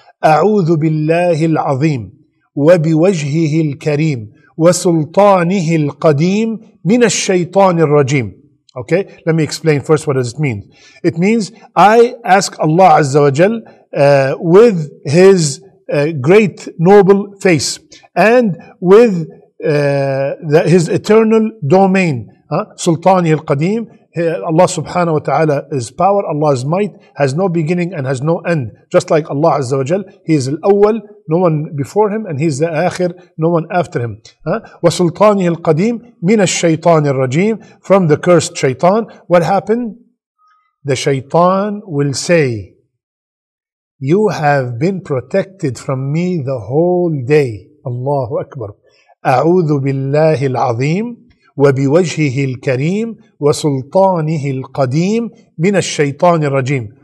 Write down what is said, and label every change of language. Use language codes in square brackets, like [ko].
[ar] أعوذ بالله العظيم وبوجهه الكريم وسلطانه القديم من الشيطان الرجيم. [en] Okay, let me explain first what does it mean. It means I ask Allah Azza wa Jal with his great noble face and with his eternal domain. [ar] سلطانه القديم. [en] Allah subhanahu wa ta'ala is power, Allah is might, has no beginning and has no end. Just like Allah azza wa jal, he is al-awwal, no one before him, and he is the akhir, no one after him. [ar] وَسُلْطَانِهِ الْقَدِيمِ مِنَ الشَّيْطَانِ الرَّجِيمِ. [en] From the cursed shaitan. What happened? The shaitan will say, you have been protected from me the whole day. Allahu Akbar. [ar] أَعُوذُ بِاللَّهِ الْعَظِيمِ وبوجهه الكريم وسلطانه القديم من الشيطان الرجيم.